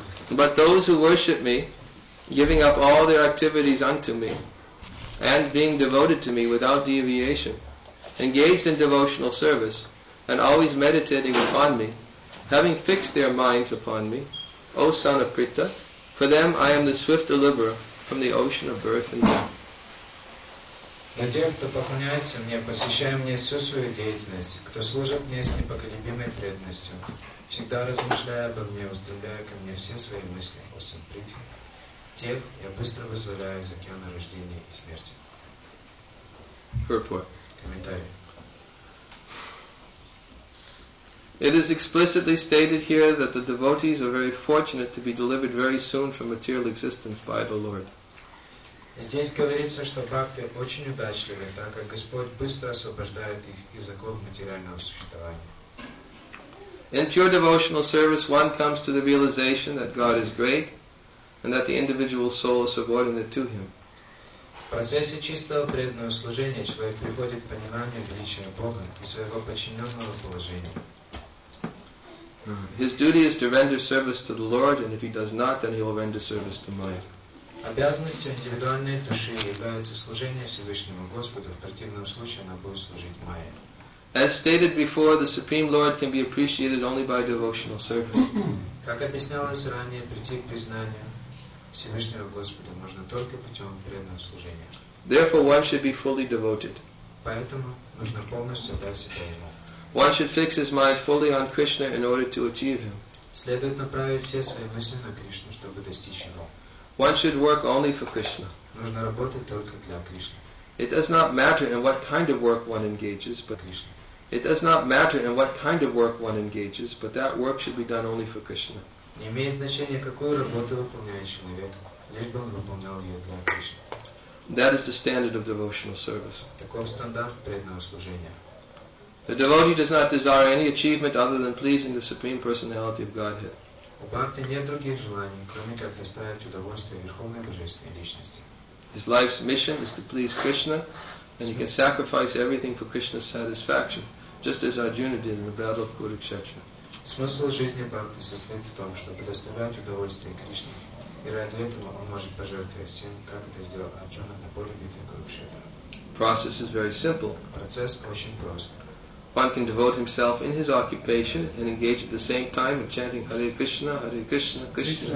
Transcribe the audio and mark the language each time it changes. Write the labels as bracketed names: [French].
[English] But those who worship me, giving up all their activities unto me, and being devoted to me without deviation, engaged in devotional service, and always meditating upon me, having fixed their minds upon me, O son of Pritha, for them I am the swift deliverer from the ocean of birth and death. [Russian] Для тех, кто поклоняется мне, посвящая мне всю свою деятельность, кто служит мне с непоколебимой преданностью, всегда размышляя обо мне, устремляя ко мне все свои мысли, о сын Притхи, тех я быстро вызволяю из океана рождения и смерти. [English] Purport. [Russian] Комментарий. [English] It is explicitly stated here that the devotees are very fortunate to be delivered very soon from material existence by the Lord. [Russian] Здесь говорится, что бхакты очень удачливы, так как Господь быстро освобождает их из оков материального существования. [English] In pure devotional service, one comes to the realization that God is great and that the individual soul is subordinate to Him. [Russian] В процессе чистого преданного служения человек приходит к пониманию величия Бога и своего подчиненного положения. [English] His duty is to render service to the Lord, and if he does not, then he will render service to Maya. [Russian] Обязанностью индивидуальной души является служение Всевышнему Господу, в противном случае она будет служить Майе. [English] As stated before, the Supreme Lord can be appreciated only by devotional service. [Russian] Как объяснялось ранее, прийти к признанию Всевышнего Господа можно только путем преданного служения. [English] Therefore, one should be fully devoted. [Russian] Поэтому нужно полностью отдать себя Ему. [English] One should fix his mind fully on Krishna in order to achieve Him. [Russian] Следует направить все свои мысли на Кришну, чтобы достичь Его. [English] One should work only for Krishna. [Russian] Нужно работать только для Кришны. [English] It does not matter in what kind of work one engages, but Krishna. It does not matter in what kind of work one engages, but that work should be done only for Krishna. [Russian] Не имеет значения, какую работу выполняет человек, лишь бы он выполнял ее для Кришны. [English] That is the standard of devotional service. [Russian] Таков стандарт преданного служения. [English] The devotee does not desire any achievement other than pleasing the Supreme Personality of Godhead. [Russian] У бхакти нет других желаний, кроме как доставить удовольствие Верховной Божественной Личности. [English] His life's mission is to please Krishna, and he can sacrifice everything for Krishna's satisfaction, just as Arjuna did in the battle of Kurukshetra. [Russian] Смысл жизни бхакти состоит в том, чтобы доставлять удовольствие Кришне, и ради этого он может пожертвовать всем, как это сделал Арджуна на поле битвы Курукшетра. [English] Process is very simple. [Russian] Процесс очень прост. [English] One can devote himself in his occupation and engage at the same time in chanting Hare Krishna, Hare Krishna, Krishna Krishna,